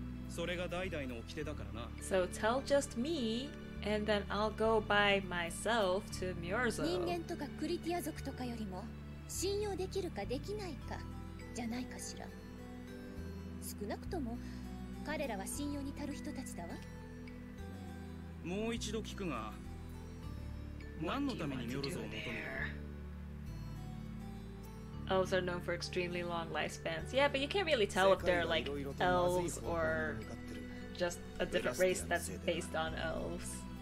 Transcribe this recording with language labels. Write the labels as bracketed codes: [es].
[en] So tell just me, and then I'll go by myself to Myorzo. [ja] 人間とかクリティア族とかよりも信用できるかできないかじゃないかしら。少なくとも彼らは信用に足る人たちだわ。もう一度聞くが、何のためにミョルゾを求める？ [en] Elves are known for extremely long lifespans. Yeah, but you can't really tell if they're like elves or just a different race that's based on elves.